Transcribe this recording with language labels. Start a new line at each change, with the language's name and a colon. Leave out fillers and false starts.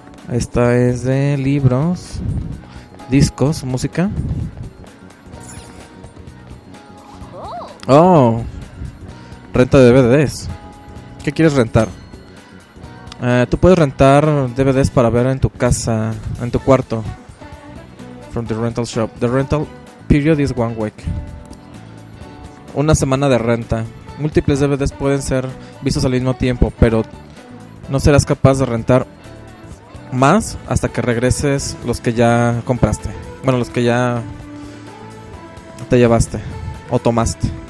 Spanish: Esta es de libros, discos, música. Oh, renta de DVDs. ¿Qué quieres rentar? Tú puedes rentar DVDs para ver en tu casa, en tu cuarto.
English: From the rental shop. The rental period is 1 week.
Spanish: Una semana de renta. Múltiples DVDs pueden ser vistos al mismo tiempo, pero no serás capaz de rentar más hasta que regreses los que ya compraste. Bueno, los que ya te llevaste o tomaste.